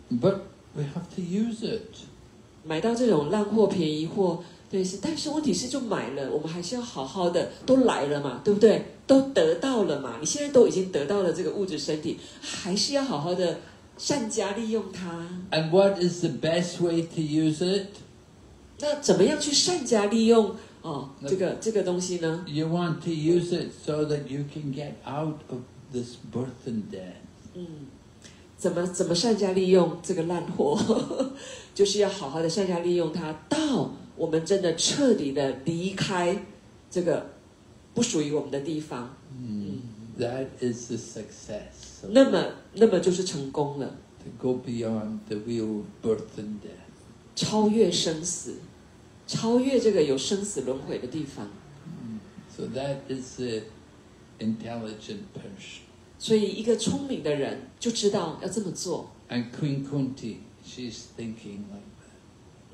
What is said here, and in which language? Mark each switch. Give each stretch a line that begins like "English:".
English: But we have to use it.
Chinese: 买到这种烂货、便宜货，对，是，但是问题是，就买了，我们还是要好好的，都来了嘛，对不对？都得到了嘛，你现在都已经得到了这个物质身体，还是要好好的善加利用它。
English: And what is the best way to use it?
Chinese: 那怎么样去善加利用哦？这个东西呢
English: ？You want to use it so that you can get out of this birth and death.
Chinese: 怎么善加利用这个烂货？就是要好好的善加利用它，到我们真的彻底的离开这个不属于我们的地方。
English: That is the success.
Chinese: 那么就是成功了。
English: To go beyond the wheel of birth and death.
Chinese: 超越生死，超越这个有生死轮回的地方。
English: So that is the intelligent person.
Chinese: 所以一个聪明的人就知道要这么做。
English: And Queen Kunti. She's thinking like that.